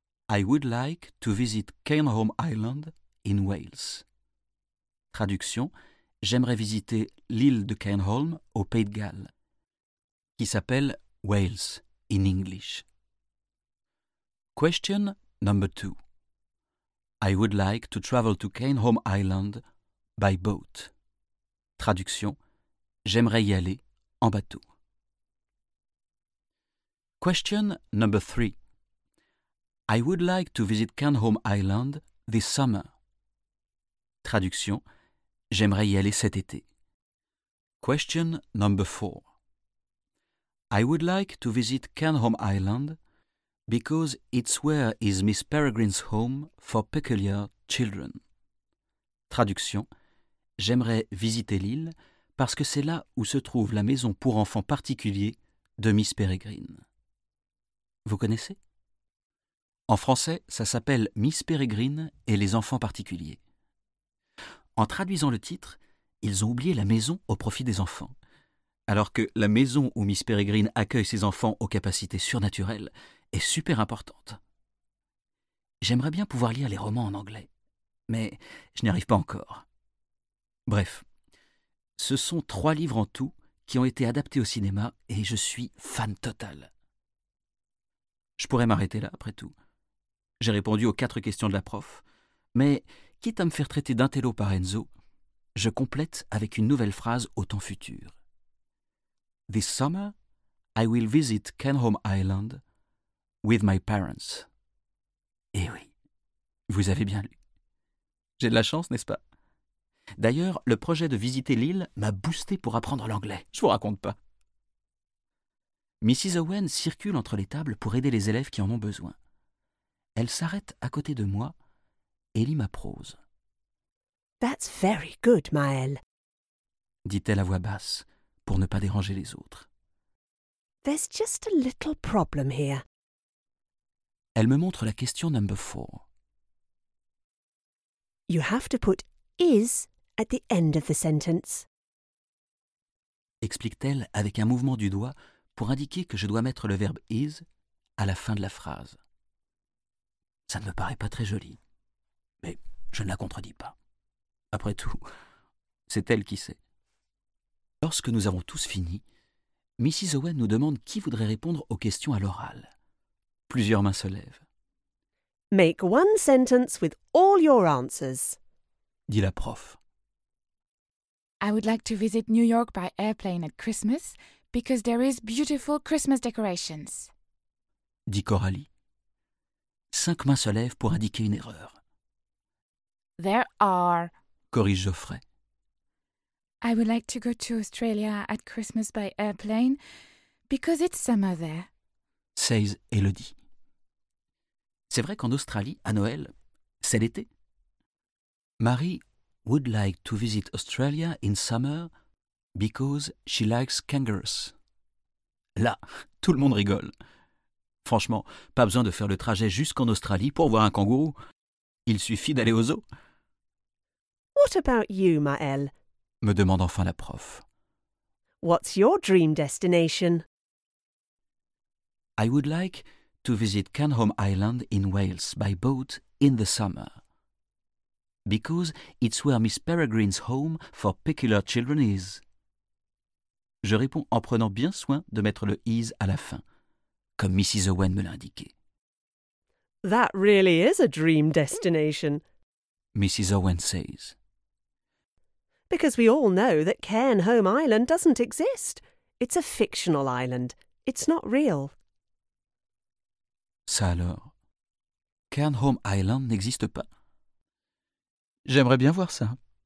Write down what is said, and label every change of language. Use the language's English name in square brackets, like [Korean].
[English] I would like to visit Cairnholm Island in Wales. [French] Traduction. J'aimerais visiter l'île de Cairnholm au Pays de Galles, qui s'appelle « [English] Wales in English. Question number two. I would like to travel to Cairnholm Island by boat. [French] Traduction. J'aimerais y aller en bateau. [English] Question number three. I would like to visit Cairnholm Island this summer. [French] Traduction. J'aimerais y aller cet été. [English] Question number four. I would like to visit Cairnholm Island because it's where is Miss Peregrine's home for peculiar children. [French] Traduction. J'aimerais visiter l'île parce que c'est là où se trouve la maison pour enfants particuliers de Miss Peregrine. Vous connaissez? En français, ça s'appelle Miss Peregrine et les enfants particuliers. En traduisant le titre, ils ont oublié la maison au profit des enfants. Alors que la maison où Miss Peregrine accueille ses enfants aux capacités surnaturelles est super importante. J'aimerais bien pouvoir lire les romans en anglais, mais je n'y arrive pas encore. Bref, ce sont trois livres en tout qui ont été adaptés au cinéma et je suis fan total. Je pourrais m'arrêter là, après tout. J'ai répondu aux quatre questions de la prof, mais quitte à me faire traiter d'intello par Enzo, je complète avec une nouvelle phrase au temps futur. [English] This summer, I will visit Cairnholm Island with my parents. [French] Eh oui, vous avez bien lu. J'ai de la chance, n'est-ce pas? D'ailleurs, le projet de visiter l'île m'a boosté pour apprendre l'anglais. Je vous raconte pas. Mrs. Owen circule entre les tables pour aider les élèves qui en ont besoin. Elle s'arrête à côté de moi et lit ma prose. [English] That's very good, Maël, [French] dit-elle à voix basse. Pour ne pas déranger les autres. [English] There's just a little problem here. [French] Elle me montre la [English] question number four. You have to put is at the end of the sentence. [French] Explique-t-elle avec un mouvement du doigt pour indiquer que je dois mettre le verbe is à la fin de la phrase. Ça ne me paraît pas très joli, mais je ne la contredis pas. Après tout, c'est elle qui sait. Lorsque nous avons tous fini, Mrs. Owen nous demande qui voudrait répondre aux questions à l'oral. Plusieurs mains se lèvent. [English] Make one sentence with all your answers, [French] dit la prof. [English] I would like to visit New York by airplane at Christmas because there is beautiful Christmas decorations, [French] dit Coralie. Cinq mains se lèvent pour indiquer une erreur. [English] There are, [French] corrige Geoffrey. [English] I would like to go to Australia at Christmas by airplane because it's summer there, says Elodie. [French] C'est vrai qu'en Australie, à Noël, C'est l'été. [English] Marie would like to visit Australia in summer because she likes kangaroos. [French] Là, tout le monde rigole. Franchement, pas besoin de faire le trajet jusqu'en Australie pour voir un kangourou. Il suffit d'aller au zoo. [English] What about you, Maëlle? [French] Me demande enfin la prof. [English] What's your dream destination? I would like to visit Canholm Island in Wales by boat in the summer. Because it's where Miss Peregrine's home for peculiar children is. [French] Je réponds en prenant bien soin de mettre le is à la fin, comme Mrs. Owen me l'a indiqué. [English] That really is a dream destination, Mrs. Owen says. Because we all know that Cairnholm Island doesn't exist. It's a fictional island. It's not real. [French] Ça alors, Cairnholm Island n'existe pas. J'aimerais bien voir ça.